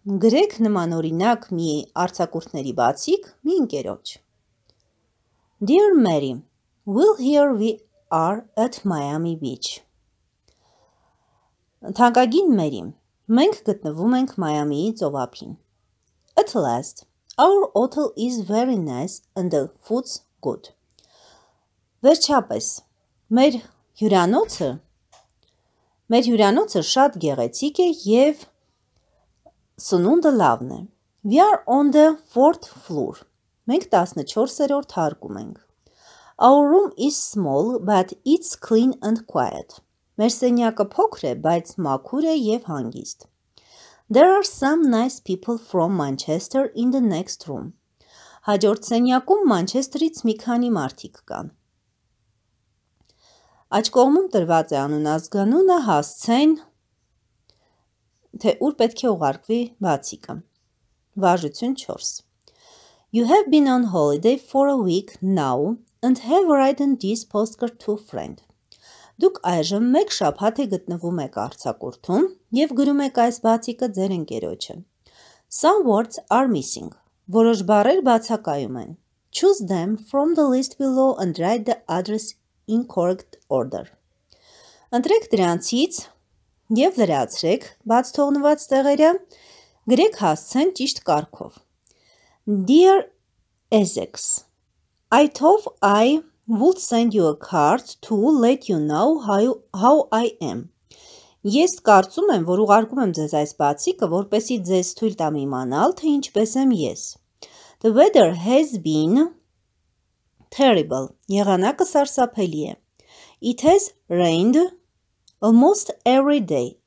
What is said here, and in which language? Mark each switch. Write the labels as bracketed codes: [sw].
[hy] Գրեք նմանօրինակ մի արձակուրդների բացիկ մի ընկերոջ. [en] Dear Mary, well, here we are at Miami Beach. [hy] Թանկագին Մերի, մենք գտնվում ենք Մայամիի ծովափին. [en] At last, our hotel is very nice and the food's good. [hy] Վերջապես, մեր հյուրանոցը շատ գեղեցիկ է և սնունդը լավն է. [en] We are on the 4th floor. [hy] Մենք 14-րդ հարկում ենք. [en] Our room is small, but it's clean and quiet. [hy] Մեր սենյակը փոքր է, բայց մաքուր է և հանգիստ. [en] There are some nice people from Manchester in the next room. [hy] Հաջորդ սենյակում Մանչեսթրից մի քանի մարդիկ կան. Աջ կողմում տրված է անունազգանունը, հասցեն, թե ուր պետք է ուղարկվի բացիկը. Վարժություն 4. [en] You have been on holiday for a week now and have written this postcard to a friend. [hy] Դուք այժմ մեկ շաբաթ է գտնվում եք արձակուրդում և գրում եք այս բացիկը ձեր ընկերոջը. [en] Some words are missing. [hy] Որոշ բառեր բացակայում են. [en] Choose them from the list below and write the address in correct order. [hy] Ընտրեք դրանցից և լրացրեք բաց թողնված տեղերը, գրեք հասցեն ճիշտ կարգով. [en] Dear Essex, I thought I would send you a card to let you know how I am. [hy] Ես կարծում եմ, որ ուղարկում եմ ձեզ այս բացիկը, որպեսի ձեզ թույլ տամ իմանալ, թե ինչպես եմ ես. [en] The weather has been terrible. [hy] Եղանակը սարսափելի է. [en] It has rained almost every day.